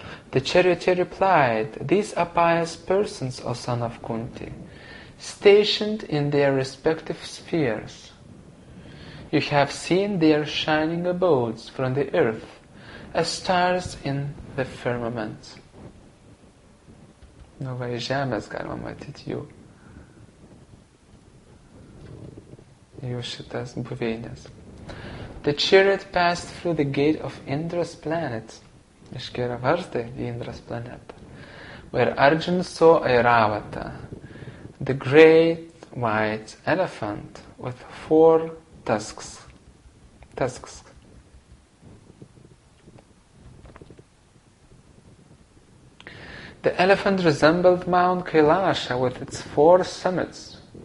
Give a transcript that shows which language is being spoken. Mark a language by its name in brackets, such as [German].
[English] The charioteer replied, "These are pious persons, O son of Kunti, stationed in their respective spheres. You have seen their shining abodes from the earth, as stars in the firmament." [Lithuanian] Nu, va, iš žemės galima matyti jų. Jų šitas buveinės. [English] The chariot passed through the gate of Indra's planet. [Lithuanian] Iškia yra vartai į [English] Indra's planet. Where Arjuna saw Airavata, the great white elephant with four tusks. Tusks. The elephant resembled Mount Kailasha with its four summits.